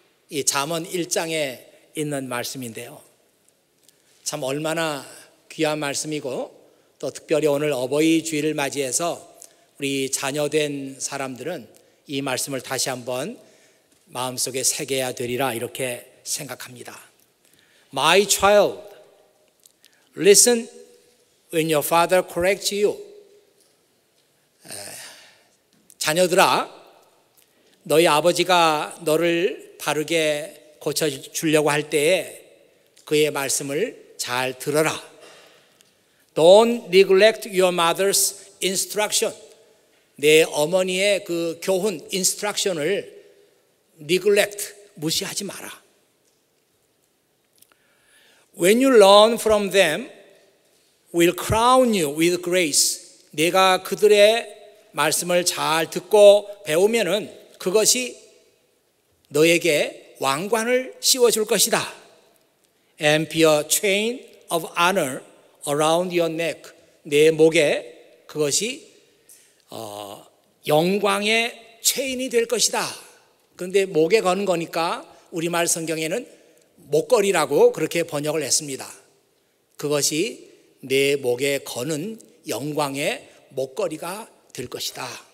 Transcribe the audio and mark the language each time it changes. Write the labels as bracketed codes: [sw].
[ko] 이 잠언 1장에 있는 말씀인데요. 참 얼마나 귀한 말씀이고 또 특별히 오늘 어버이 주일을 맞이해서 우리 자녀된 사람들은 이 말씀을 다시 한번 마음속에 새겨야 되리라 이렇게 생각합니다. [en] My child, listen when your father corrects you. [ko] 자녀들아, 너희 아버지가 너를 바르게 고쳐주려고 할 때에 그의 말씀을 잘 들어라. [en] Don't neglect your mother's instruction. [ko] 내 어머니의 그 교훈, instruction을 neglect, 무시하지 마라. [en] When you learn from them, we'll crown you with grace. [ko] 내가 그들의 말씀을 잘 듣고 배우면은 그것이 너에게 왕관을 씌워줄 것이다. [en] And be a chain of honor around your neck. [ko] 내 목에 그것이 영광의 체인이 될 것이다. 그런데 목에 거는 거니까 우리말 성경에는 목걸이라고 그렇게 번역을 했습니다. 그것이 내 목에 거는 영광의 목걸이가 될 것이다.